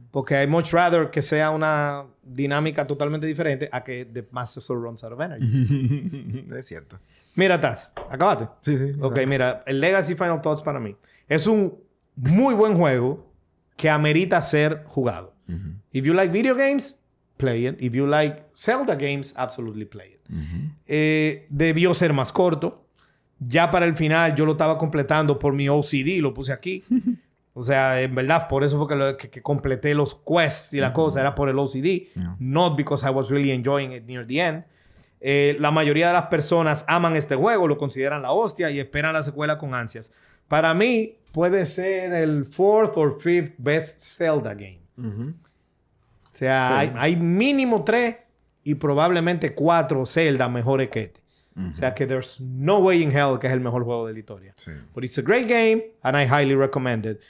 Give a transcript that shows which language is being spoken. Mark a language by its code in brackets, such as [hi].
[es] Porque I'd much rather que sea una... dinámica totalmente diferente a que The Master Sword runs out of energy. Es cierto. Mira, Taz, ¿acabaste? Sí, sí. Ok, claro. Mira, el Legacy Final Thoughts para mí es un muy buen juego que amerita ser jugado. [en] Uh-huh. If you like video games, play it. If you like Zelda games, absolutely play it. [es] Uh-huh. Debió ser más corto. Ya para el final yo lo estaba completando por mi OCD, lo puse aquí. O sea, en verdad, por eso fue que completé los quests y la cosa. Era por el OCD. Yeah. [en] Not because I was really enjoying it near the end. [es] La mayoría de las personas aman este juego, lo consideran la hostia y esperan la secuela con ansias. Para mí, puede ser el fourth or fifth best Zelda game. Uh-huh. O sea, sí. Hay mínimo 3 y probablemente 4 Zelda mejores que este. Mm-hmm. O sea que there's no way in hell que es el mejor juego de la historia. Sí. [en] But it's a great game and I highly recommend it.